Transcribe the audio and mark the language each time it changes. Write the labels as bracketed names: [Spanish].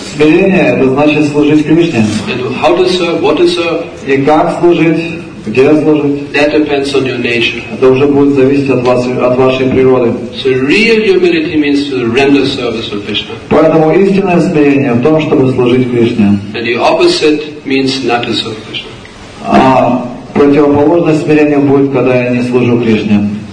[Russian] Смирение – это значит служить Кришне. [English] And how to serve, what to serve? [Russian] И как служить, где служить? [English] That depends on your nature. [Russian] Это уже будет зависеть от вас, от вашей природы. [English] So real humility means to render service to Krishna. [Russian] Поэтому истинное смирение в том, чтобы служить Кришне. [English] And the opposite means not to serve Krishna. [Russian] А противоположность смирению будет, когда я не служу Кришне.